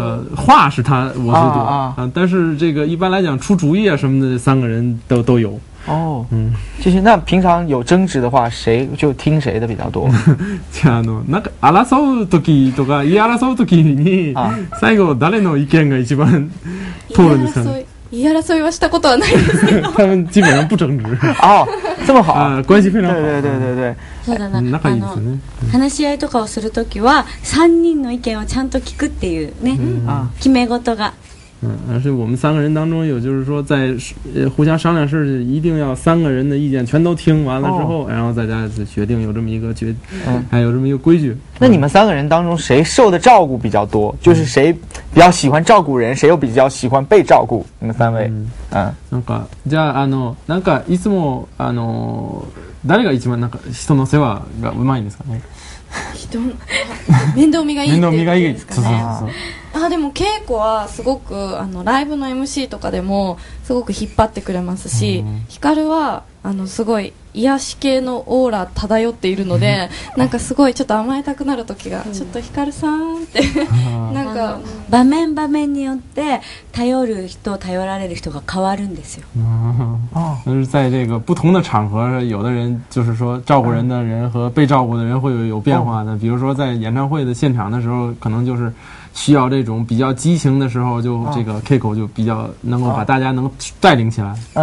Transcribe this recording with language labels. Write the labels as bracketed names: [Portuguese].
[Chinese] 但是这个话是他我最多、但是这个一般来讲出主意啊什么的三个人都有。其实那平常有争执的话谁就听谁的比较多。 [Japanese] じゃあなんか争う時とか言い争う時に最後誰の意見が一番通るんですかね。言い争いはしたことはないですけど。 [Chinese] 他们基本上不争执。哦，这么好。关系非常好。对对对对对。 [Japanese] そうだな。仲いいですね。話し合いとかをするときは、三人の意見をちゃんと聞くっていうね、決め事が。 [Chinese] 而且我们三个人当中有，就是说在互相商量事，一定要三个人的意见全都听完了之后，然后再大家决定，有这么一个决，还有这么一个规矩。那你们三个人当中谁受的照顾比较多？就是谁比较喜欢照顾人，谁又比较喜欢被照顾？你们三位， [Japanese] じゃあなんかいつも誰が一番なんか人の世話がうまいんですかね？面倒見がいいって言ってるんですかね。あ、でも稽古はすごくライブの MC とかでもすごく引っ張ってくれますし、ヒカルはすごい癒し系のオーラ漂っているので、なんかすごいちょっと甘えたくなる時が、ちょっとヒカルさんってなんか場面場面によって頼る人頼られる人が変わるんですよ。 [Chinese] 就是在这个不同的场合，有的人就是说照顾人的人和被照顾的人会有变化的。比如说在演唱会的现场的时候，可能就是需要这种比较激情的时候，就这个 Keiko 就比较能够把大家能带领起来。